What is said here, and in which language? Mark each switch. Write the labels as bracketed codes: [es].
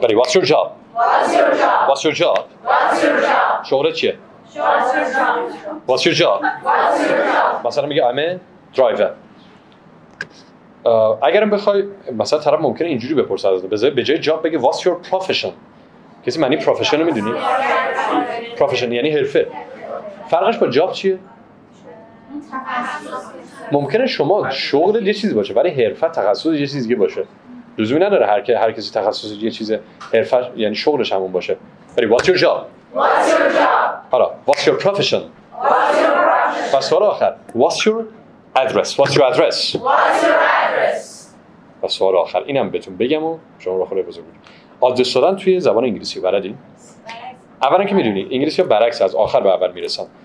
[en] بری what's your job. what's your job. what's your job. what's your job. [fa] شغلت چیه؟ [en] what's your job. what's your job. what's your job. مثلا میگه I'm a driver. [fa] اگرم بخوای مثلا طرف ممکنه اینجوری بپرسه ازت بذار به جای جاب بگه [en] what's your profession. [fa] کسی معنی profession رو میدونی؟ profession یعنی حرفه. فرقش با جاب چیه؟ ممکنه شما شغل یه چیزی باشه ولی حرفه تخصص یه چیزی باشه. لزومی نداره هر کسی تخصص یه چیزه حرفه یعنی شغلش همون باشه. [en] بری what's your job. what's your job. حالا what's your profession. what's your profession. [fa] و سوال آخر [en] what's your address. what's your address. what's your address. [fa] و سوال آخر اینم بهتون بگم و شما رو خوره بزرگ بودیم آدرس دادن توی زبان انگلیسی بلدین؟ اولا که میدونی انگلیسی ها برعکس از آخر به اول میرسن.